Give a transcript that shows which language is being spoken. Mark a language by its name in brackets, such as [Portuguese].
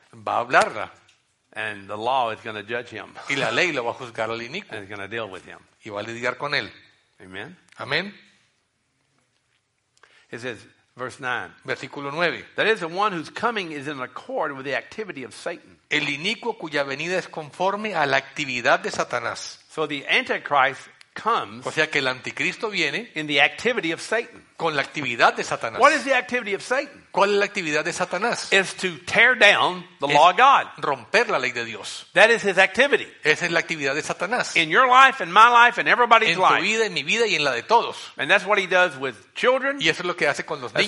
[Spanish] Va a hablarla. [English] And the law is going to judge him. [Spanish] Y la ley lo va a juzgar al inicuo. [English] And it's going to deal with him. [Spanish] Y va a lidiar con él. [English] Amen. [Spanish] Amén. [English] It says, verse 9. [Spanish] Versículo 9. [English] That is, the one whose coming is in accord with the activity of Satan. [Spanish] El inicuo cuya venida es conforme a la actividad de Satanás. [English] So the Antichrist comes. [Spanish] O sea que el anticristo viene. [English] In the activity of Satan. [Spanish] Con la actividad de Satanás. [English] What is the activity of Satan? [Spanish] ¿Cuál es la actividad de Satanás? [English] Is to tear down the law of God. [Spanish] Romper la ley de Dios. [English] That is his activity. [Spanish] Esa es la actividad de Satanás. [English] In your life, in my life, in everybody's life. [Spanish] En tu vida, en mi vida y en la de todos. [English] And that's what he does with children. [Spanish] Y eso es lo que hace con los niños.